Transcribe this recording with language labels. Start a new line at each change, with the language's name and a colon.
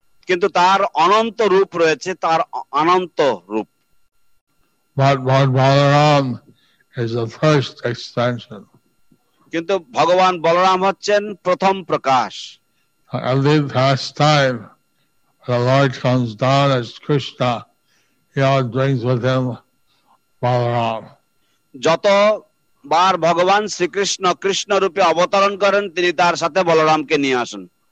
Bangla: কিন্তু তার অনন্ত রূপ রয়েছে তার অনন্ত রূপ
English: But Balaram is the first extension.
Bangla: কিন্তু ভগবান বলরাম হচ্ছেন প্রথম প্রকাশ.
English: At the first time, the Lord comes down as Krishna. He all brings with him Balaram.
Bangla: যতবার ভগবান শ্রীকৃষ্ণ কৃষ্ণ রূপে অবতরণ করেন তিনি তার সাথে বলরামকে নিয়ে আসেন.